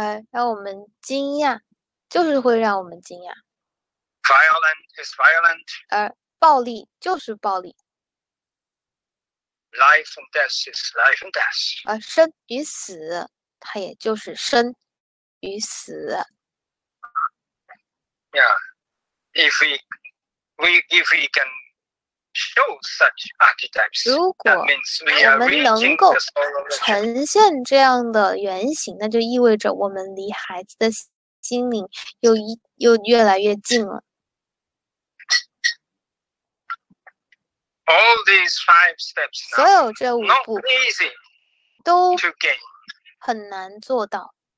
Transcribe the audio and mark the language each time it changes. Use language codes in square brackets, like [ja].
[zh] 让我们惊讶，就是会让我们惊讶。 [en] violent is violent. [zh] 暴力就是暴力。 [en] Life and death is life and death. [zh] 生与死，它也就是生与死。 [en] Yeah, if we can show such archetypes, that means we are reaching the soul of the child. [zh] 呈现这样的原型，那就意味着我们离孩子的心灵又越来越近了。 [en] All these five steps, [zh] 所有这五步 [en] not easy, [zh] 都很难做到。